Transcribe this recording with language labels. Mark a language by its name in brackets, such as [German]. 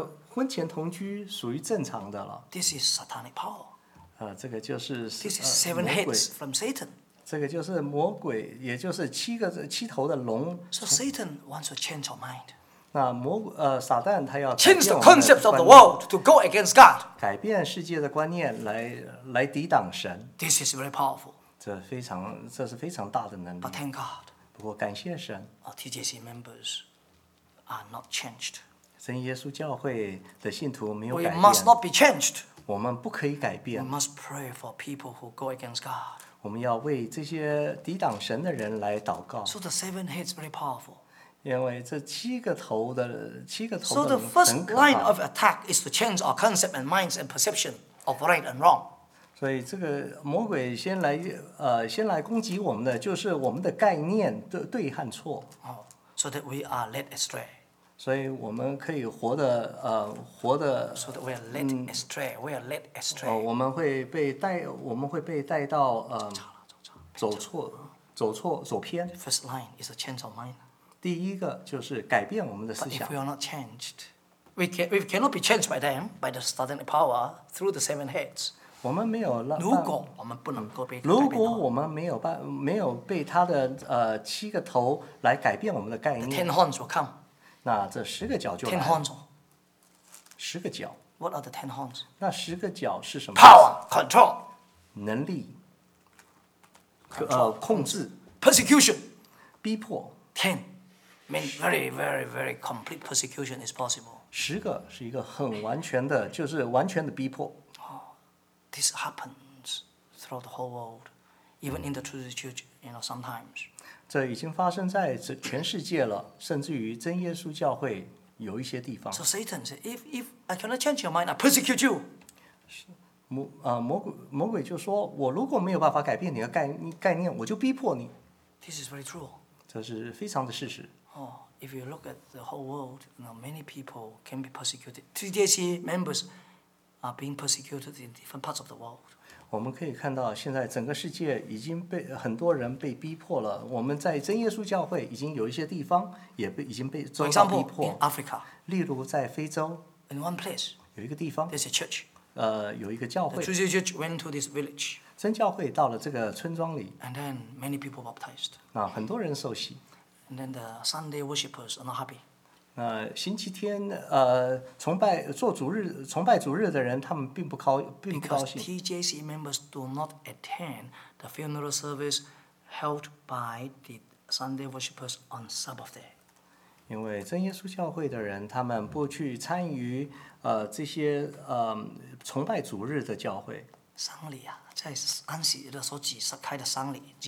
[Chinese] 婚前同居属于正常的了。 [English] This is satanic power. [Chinese] 这个就是 [English] This is seven heads from Satan. [Chinese] 这个就是魔鬼，也就是七头的龙。 [English] So Satan wants to change our mind. [Chinese] 那撒旦他要 [English] change the concepts of the world to go against God， [Chinese] 改变世界的观念来抵挡神。 [English] This is very powerful. [Chinese] 这是非常大的能力。 [English] But thank God. [Chinese] 不过感谢神 [English] our TJC members are not changed. [Chinese] 真耶稣教会的信徒没有改变。 [English] We must not be changed. [Chinese] 我们不可以改变。 [English] We must pray for people who go against God. [Chinese] 我们要为这些抵挡神的人来祷告。 [English] So the seven heads very powerful. [Chinese] 因为这七个头的七个头的很可怕。 [English] So the first line of attack is to change our concept and minds and perception of right and wrong. [Chinese] 所以这个魔鬼先来攻击我们的就是我们的概念对和错。 [English] So that we are led astray. [Chinese] 所以我们可以活得 [English] So that we are led astray. We are led astray. [Chinese] 我们会被带到走错走偏。 [English] First line is to change our mind. [Chinese] 第一个就是改变我们的思想。 [English] But if we are not changed, we cannot be changed by them, by the starting power through the seven heads. [Chinese] 我们没有让。如果我们不能够被改变。如果我们没有办，没有被他的七个头来改变我们的概念。 [English] The ten horns will come. [Chinese] 那这十个角就来。 [English] Ten horns. [Chinese] 十个角。 [English] What are the ten horns? [Chinese] 那十个角是什么 [English] ？Power, control. [Chinese] 能力。 [English] Control, [Chinese] 控制。 [English] Persecution. [Chinese] 逼迫。 [English] Ten. I mean, very, very, very complete persecution is possible. [Chinese] 十个是一个很完全的，就是完全的逼迫。 [English] This happens throughout the whole world, even in the true church, you know, sometimes. [Chinese] 这已经发生在全世界了，甚至于真耶稣教会有一些地方。 [English] So Satan said, if I cannot change your mind, I persecute you. [Chinese] 魔鬼就说，我如果没有办法改变你的概念，我就逼迫你。 [English] This is very true. [Chinese] 这是非常的事实。 [English] If you look at the whole world, you know, many people can be persecuted. TJC members are being persecuted in different parts of the world. [Chinese] 我们可以看到现在整个世界已经被很多人被逼迫了。我们在真耶稣教会已经有一些地方也被已经被遭到逼迫。 [English] For example, in Africa. [Chinese] 例如在非洲。 [English] In one place. [Chinese] 有一个地方。 [English] There's a church. [Chinese] 有一个教会。 [English] The true church went to this village. [Chinese] 真教会到了这个村庄里。 [English] And then many people baptized. [Chinese] 那很多人受洗。 [English] And then the Sunday worshippers are not happy. [Chinese] 星期天崇拜做主日崇拜主日的人，他们并不高兴。 [English] Because TJC members do not attend the funeral service held by the Sunday worshippers on Sabbath day. [Chinese] 因为真耶稣教会的人，他们不去参与这些崇拜主日的教会。丧礼啊，在安息日的时候举办的丧礼。